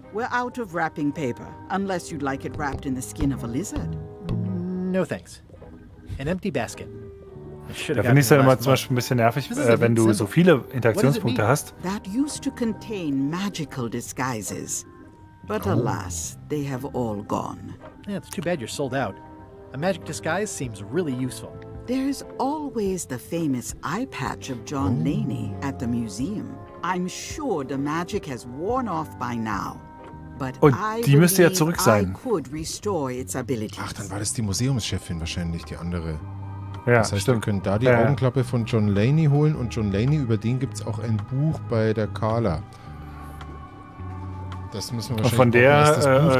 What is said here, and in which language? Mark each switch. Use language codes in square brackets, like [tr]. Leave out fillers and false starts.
[en] We're out of wrapping paper, unless you'd like it wrapped in the skin of a lizard. No thanks. An empty basket. [de] Da finde ich es ja immer zum Beispiel ein bisschen nervig, wenn du so viele Interaktionspunkte hast. [en] That used to contain magical disguises. But alas, they have all gone. Yeah, it's too bad you're sold out. A magic disguise seems really useful. There's always the famous eye patch of John Laney at the museum. I'm sure the magic has worn off by now. But [de] und die müsste ja zurück sein. Ach, dann war das die Museumschefin wahrscheinlich, die andere. Ja, das heißt, stimmt. Wir können da die Augenklappe von John Laney holen und John Laney, über den gibt es auch ein Buch bei der Carla. Das müssen wir wahrscheinlich und von der, das Buch,